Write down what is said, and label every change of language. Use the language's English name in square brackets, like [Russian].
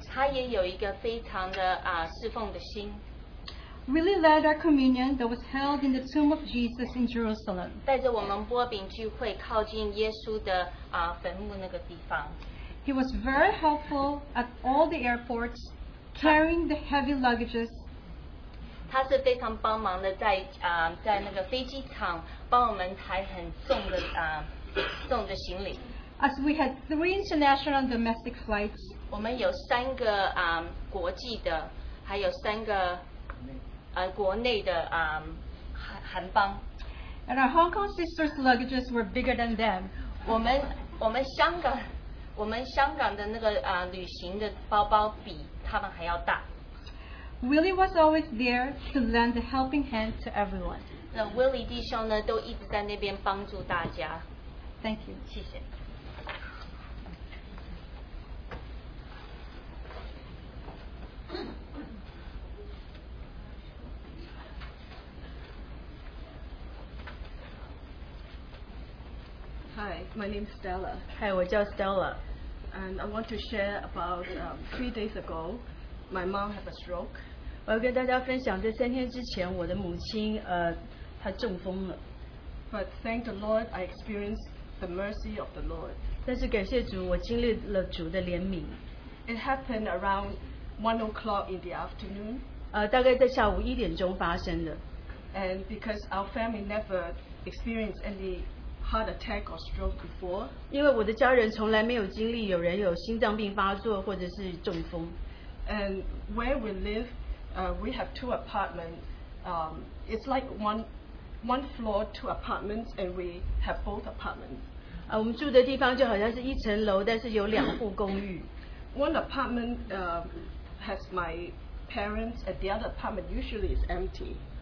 [Chinese] 他也有一个非常的 侍奉的心。 [English] Really led our communion that was held in the tomb of Jesus in Jerusalem. [Chinese] 带着我们波饼聚会靠近耶稣的 坟墓那个地方。 [English] He was very helpful at all the airports, carrying the heavy luggages. [Chinese] 他是非常帮忙的在那个飞机场帮我们抬很重的行李。 [English] As we had 3 international domestic flights, [Chinese] 我们有三个国际的，还有三个国内的韩邦。 [English] And our Hong Kong sisters' luggages were bigger than them. [Chinese] 我们香港的那个旅行的包包比他们还要大。 [English] Willie was always there to lend a helping hand to everyone. [Chinese] 那Willie弟兄呢，都一直在那边帮助大家。 [English] Thank you. [Chinese] 谢谢。 [English] Hi, my name is Stella. Hi, [Chinese] 我叫 Stella. [English] And I want to share about 3 days ago, my mom had a stroke. [Chinese] 我要跟大家分享，这三天之前，我的母亲她中风了。 [English] But thank the Lord, I experienced the mercy of the Lord. [Chinese] 但是感谢主，我经历了主的怜悯。 [English] It happened around 1 o'clock in the afternoon. [Chinese] 大概在下午一点钟发生的。 [English] And because our family never experienced any heart attack or stroke before. [Chinese] 因为我的家人从来没有经历有人有心脏病发作或者是中风。 [English] And where we live, we have 2 apartments. It's like one floor, 2 apartments, and we have both apartments. [Chinese] 我们住的地方就好像是一层楼，但是有两户公寓。 [English] One apartment has my parents, and the other apartment usually is empty.